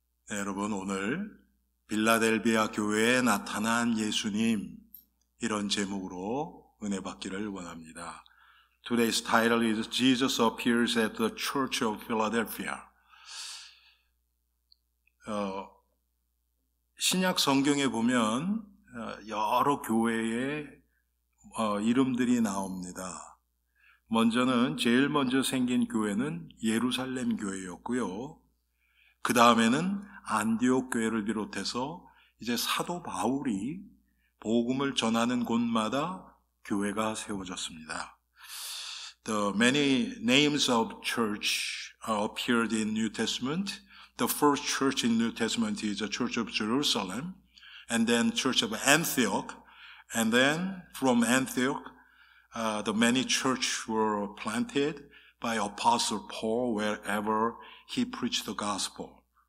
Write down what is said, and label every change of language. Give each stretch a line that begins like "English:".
Korean: 네, 여러분, 오늘 빌라델비아 교회에 나타난 예수님, 이런 제목으로 은혜 받기를 원합니다.
English: Today's title is Jesus Appears at the Church of Philadelphia.
Korean: 신약 성경에 보면 여러 교회의 이름들이 나옵니다. 먼저는 제일 먼저 생긴 교회는 예루살렘 교회였고요. 그 다음에는 안디옥 교회를 비롯해서 이제 사도 바울이 복음을 전하는 곳마다 교회가 세워졌습니다.
English: The many names of church appeared in New Testament. The first church in New Testament is the Church of Jerusalem, and then Church of Antioch, and then from Antioch, the many churches were planted by Apostle Paul wherever he preached the gospel.